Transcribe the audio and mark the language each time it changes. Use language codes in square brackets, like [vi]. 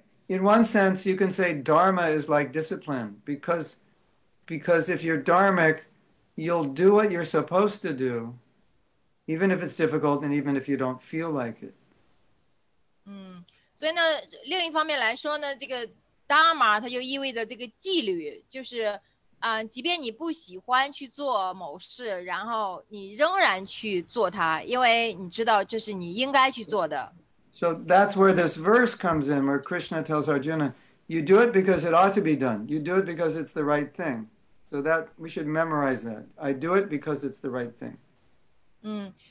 [en] In one sense, you can say dharma is like discipline because if you're dharmic, you'll do what you're supposed to do, even if it's difficult and even if you don't feel like it. [zh] 所以呢，另一方面来说呢，这个dharma它就意味着这个纪律，就是即便你不喜欢去做某事，然后你仍然去做它，因为你知道这是你应该去做的。 [en] So that's where this verse comes in, where Krishna tells Arjuna, you do it because it ought to be done. You do it because it's the right thing. So that we should memorize that. I do it because it's the right thing.